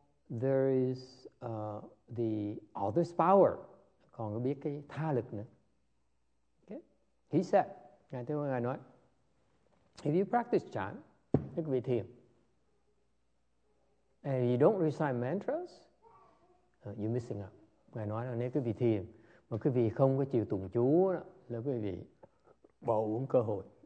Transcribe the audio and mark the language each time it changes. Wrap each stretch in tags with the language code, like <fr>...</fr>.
<en>There is the other's power.</en> <vi>Còn có biết cái tha lực nữa. Okay.</vi> <en>He said,</en> <vi>ngài Tiên Hóa ngài nói,</vi> <en>if you practice chan,</en> <vi>quý vị thiền.</vi> <en>And you don't recite mantras, you're missing out.</en> <vi>Ngài nói là nếu quý vị thiền, mà quý vị không có chịu tụng chú, là quý vị bỏ uống cơ hội.</vi>